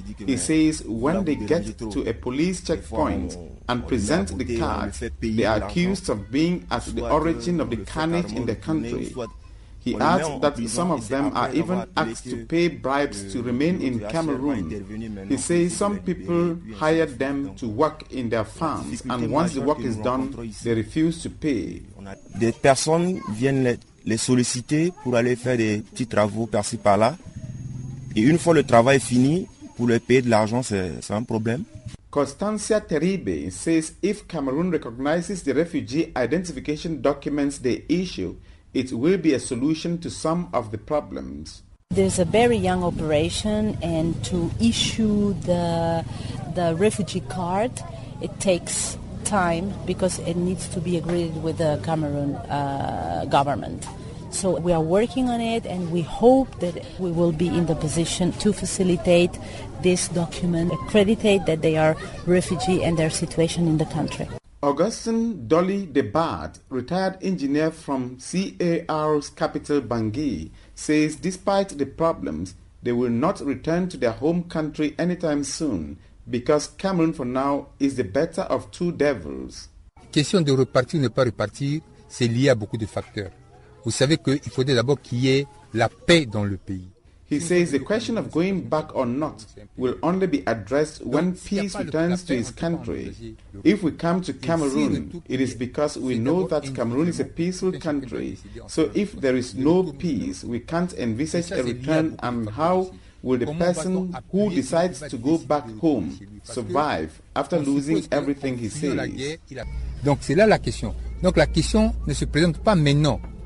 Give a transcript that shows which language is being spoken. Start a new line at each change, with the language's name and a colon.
English: He says when they get to a police checkpoint and present the card, they are accused of being at the origin of the carnage in the country. He adds that some of them are even asked to pay bribes to remain in Cameroon. He says some people hired them to work in their farms, and once the work is done, they refuse to pay.
French: Des personnes viennent les solliciter pour aller faire des petits travaux par-ci par-là, et une fois le travail fini, pour les payer de l'argent, c'est un problème.
English: Constantia Terebe says if Cameroon recognizes the refugee identification documents they issue, it will be a solution to some of the problems. There's a very young operation, and to issue the refugee card, it takes time because it needs to be agreed with the Cameroon government. So we are working on it, and we hope that we will be in the position to facilitate this document, accreditate that they are refugee and their situation in the country. Augustin Dolly Debat, retired engineer from CAR's capital Bangui, says despite the problems, they will not return to their home country anytime soon because Cameroon for now is the better of two devils.
French: Question de repartir ou ne pas repartir, c'est lié à beaucoup de facteurs. Vous savez qu'il faudrait d'abord qu'il y ait la paix dans le pays.
English: He says the question of going back or not will only be addressed when peace returns to his country. If we come to Cameroon, it is because we know that Cameroon is a peaceful country. So if there is no peace, we can't envisage a return, and how will the person who decides to go back home survive after losing everything, he says.
French: Donc c'est là la question. Donc la question ne se présente pas maintenant.